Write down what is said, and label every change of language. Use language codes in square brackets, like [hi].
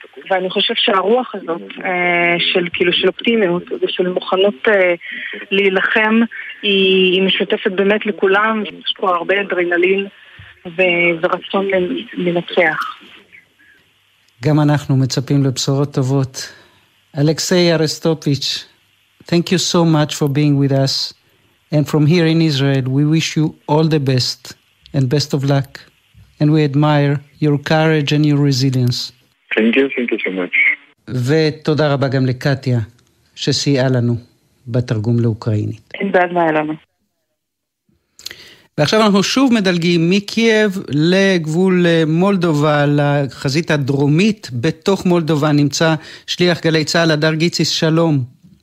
[he] ואני חושב שהרוח הזאת של כאילו של אופטימיות ושל מוכנות להילחם היא משותפת באמת לכולם. יש פה הרבה אדרנלין ורצון לנצח. גם אנחנו מצפים לבשורות טובות. [en] אלכסיי ארסטופיץ', thank you so much for being with us, and from here in Israel we wish you all the best and best of luck, and we admire your courage and your resilience. Thank you so much. [he] ותודה רבה גם לקטיה שסייעה לנו בתרגום לאוקראינית. אין בעד מה. ועכשיו אנחנו שוב מדלגים מקייב לגבול מולדובה, לחזית הדרומית. בתוך מולדובה נמצא שליח גלי צהל, הדר גיציס, שלום.